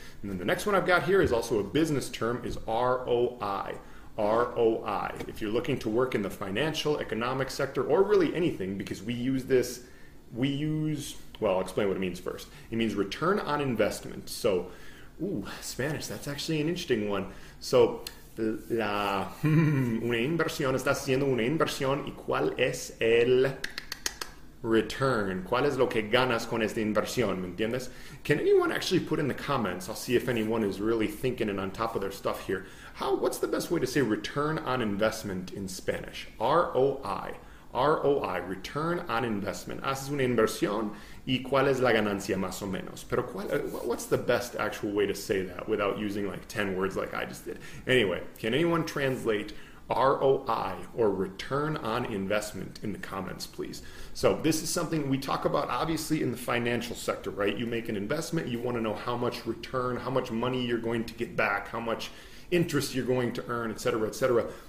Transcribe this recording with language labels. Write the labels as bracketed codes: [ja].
[en] And then the next one I've got here is also a business term, is ROI. ROI. If you're looking to work in the financial, economic sector, or really anything, because we use this, I'll explain what it means first. It means return on investment. So, Spanish, that's actually an interesting one. [es] So, una inversión, estás haciendo una inversión, y cuál es el return? ¿Cuál es lo que ganas con esta inversión? ¿Me entiendes? [en] Can anyone actually put in the comments, I'll see if anyone is really thinking and on top of their stuff here, what's the best way to say return on investment in Spanish? ROI. ROI, return on investment. [es] Haces una inversión y cuál es la ganancia más o menos. Pero [en] what's the best actual way to say that without using like 10 words like I just did? Anyway, can anyone translate ROI or return on investment in the comments, please? So this is something we talk about obviously in the financial sector, right? You make an investment, you want to know how much return, how much money you're going to get back, how much interest you're going to earn, et cetera, et cetera.